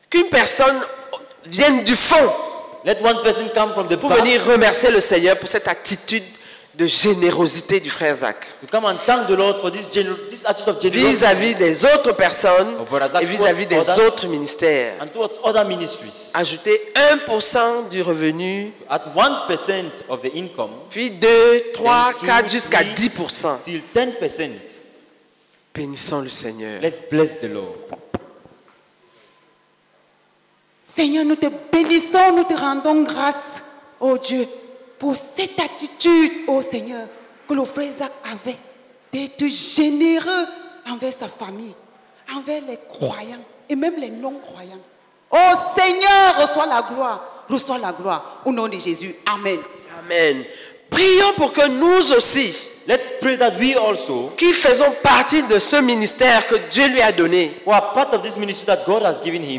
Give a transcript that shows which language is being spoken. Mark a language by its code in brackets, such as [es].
[fr] personne vienne du fond. [en] Let one person come from the [fr] pour venir remercier le Seigneur pour cette attitude de générosité du frère Zach. [en] To come and thank the Lord for this attitude of generosity. [fr] Vis-à-vis des autres personnes et vis-à-vis des autres ministères. [en] And towards other ministries. [fr] Ajouter 1% du revenu. [en] At 1% of the income. [fr] Puis 2, 3, 4 jusqu'à 10%. [en] Till 10%. [fr] Bénissons le Seigneur. [en] Let's bless the Lord. [fr] Seigneur, nous te bénissons, nous te rendons grâce, oh Dieu, pour cette attitude, oh Seigneur, que le frère Zach avait d'être généreux envers sa famille, envers les croyants et même les non-croyants. Oh Seigneur, reçois la gloire, reçois la gloire. Au nom de Jésus, amen. Amen. Prions pour que nous aussi, [en] let's pray that we also, [fr] qui faisons partie de ce ministère que Dieu lui a donné, [en] who are part of this ministry that God has given him,